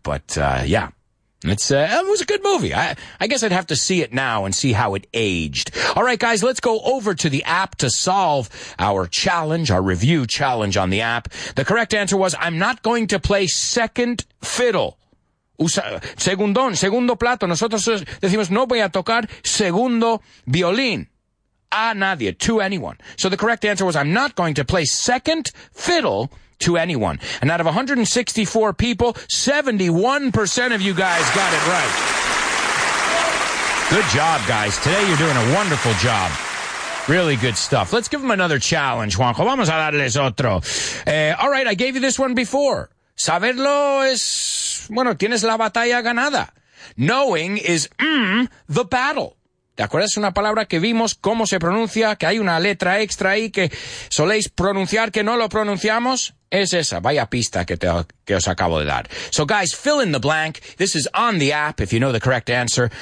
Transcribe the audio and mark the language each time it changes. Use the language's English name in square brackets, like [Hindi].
[English] But yeah, it was a good movie. I guess I'd have to see it now and see how it aged. All right, guys, let's go over to the app to solve our challenge, our review challenge on the app. The correct answer was, I'm not going to play second fiddle. [Spanish] Segundo plato. Nosotros decimos, no voy a tocar segundo violín. A nadie, [English] to anyone. So the correct answer was, I'm not going to play second fiddle to anyone. And out of 164 people, 71% of you guys got it right. Good job, guys. Today you're doing a wonderful job. Really good stuff. Let's give them another challenge, Juanjo. [Spanish] Vamos a darles otro. [English] All right, I gave you this one before. [Spanish] Saberlo es, bueno, tienes la batalla ganada. [English] Knowing is the battle. [Spanish] ¿Te acuerdas? Es una palabra que vimos cómo se pronuncia, que hay una letra extra ahí que soléis pronunciar, que no lo pronunciamos. Es esa. Vaya pista que os acabo de dar. [English] So guys, fill in the blank. This is on the app if you know the correct answer.